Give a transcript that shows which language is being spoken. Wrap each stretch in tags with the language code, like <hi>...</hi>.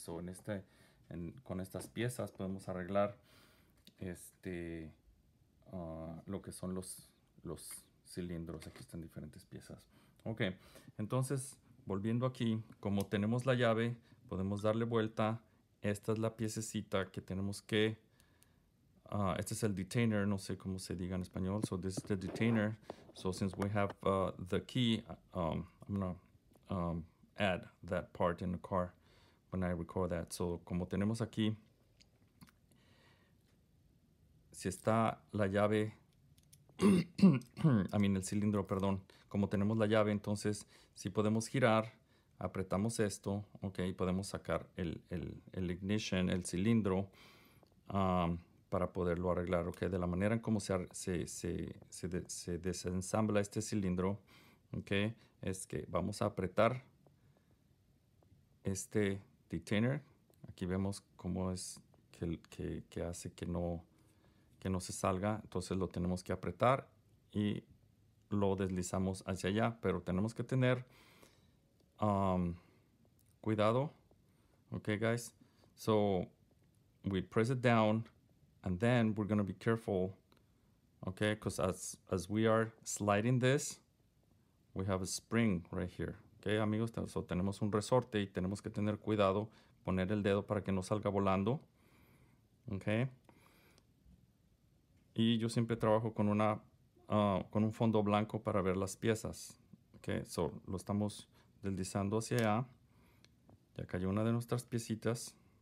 <es>So, con estas piezas podemos arreglar lo que son los cilindros. Aquí están diferentes piezas. Ok, entonces, volviendo aquí, como tenemos la llave, podemos darle vuelta. Esta es la piececita que tenemos que... este es el detainer, no sé cómo se diga en español.</es> <en>So, this is the detainer. So, since we have the key, I'm gonna add that part in the car when I record that.</en> <es>So, como tenemos aquí, si está la llave, el cilindro, perdón. Como tenemos la llave, entonces, si podemos girar, apretamos esto, ok, podemos sacar el ignition, el cilindro, para poderlo arreglar, ok. De la manera en cómo se desensambla este cilindro, ok, es que vamos a apretar este detainer. Aquí vemos cómo es que hace que no se salga. Entonces lo tenemos que apretar y lo deslizamos hacia allá. Pero tenemos que tener cuidado.</es> <en>Okay, guys. So we press it down and then we're going to be careful. Okay, because as we are sliding this, we have a spring right here.</en> <es>Okay, amigos, so tenemos un resorte y tenemos que tener cuidado, poner el dedo para que no salga volando. Okay. Y yo siempre trabajo con un fondo blanco para ver las piezas. Okay, so lo estamos deslizando hacia allá. Ya cayó una de nuestras piecitas.</es>